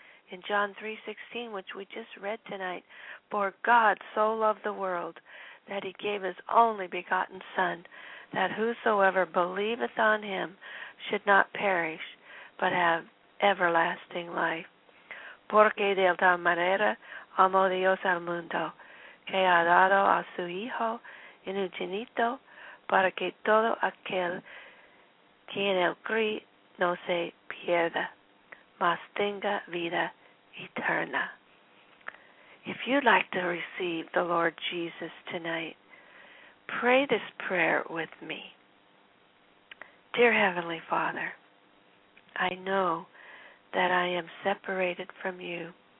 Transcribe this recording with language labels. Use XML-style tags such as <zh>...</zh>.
<en>In John 3:16, which we just read tonight, for God so loved the world that he gave his only begotten Son, that whosoever believeth on him should not perish, but have everlasting life.</en> <es>Porque de tal manera amó Dios al mundo, que ha dado a su Hijo unigénito, para que todo aquel quien él cree no se pierda, mas tenga vida eterna.</es> <en>If you'd like to receive the Lord Jesus tonight, pray this prayer with me. Dear Heavenly Father, I know that I am separated from you.</en>